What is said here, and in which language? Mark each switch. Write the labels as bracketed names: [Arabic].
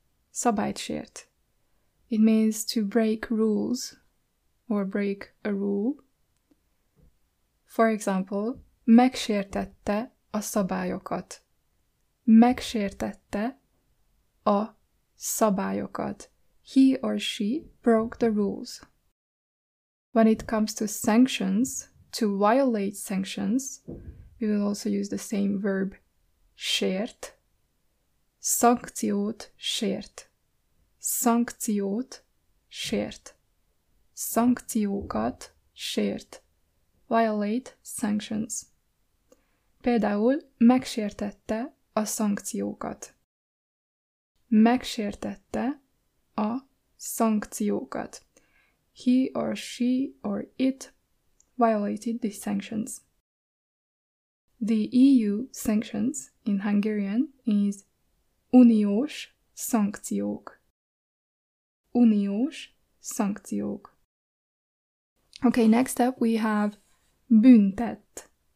[Hungarian] Szabályt sért. [English] It means to break rules or break a rule. For example, [Hungarian] megsértette a szabályokat. Megsértette a szabályokat. [English] He or she broke the rules. When it comes to sanctions, to violate sanctions, we will also use the same verb, sért. [Hungarian] Szankciót sért. Szankciót sért. Szankciókat sért. [English] Violate sanctions. [Hungarian] Például megsértette a szankciókat. Megsértette a szankciókat. [English] He or she or it violated the sanctions. The EU sanctions in Hungarian is [Hungarian] uniós szankciók. Uniós szankciók. [English] Okay, next up we have büntet.